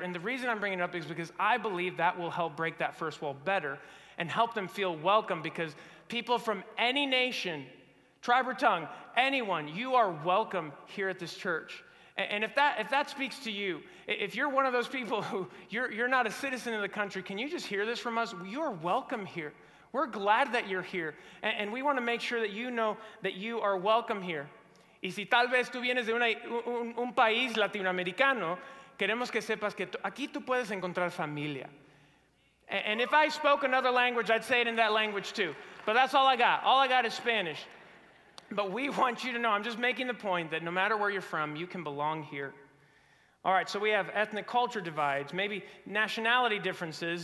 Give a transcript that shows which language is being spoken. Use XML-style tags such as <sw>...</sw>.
<en>And the reason I'm bringing it up is because I believe that will help break that first wall better and help them feel welcome, because people from any nation, tribe or tongue, anyone, you are welcome here at this church. And if that speaks to you, if you're one of those people who you're not a citizen of the country, can you just hear this from us? You're welcome here. We're glad that you're here. And we want to make sure that you know that you are welcome here.</en> <es>Y si tal vez tú vienes de un país latinoamericano, queremos que sepas que aquí tú puedes encontrar familia.</es> <en>And if I spoke another language, I'd say it in that language too. But that's all I got. All I got is Spanish. But we want you to know, I'm just making the point that no matter where you're from, you can belong here. All right, so we have ethnic culture divides, maybe nationality differences.</en>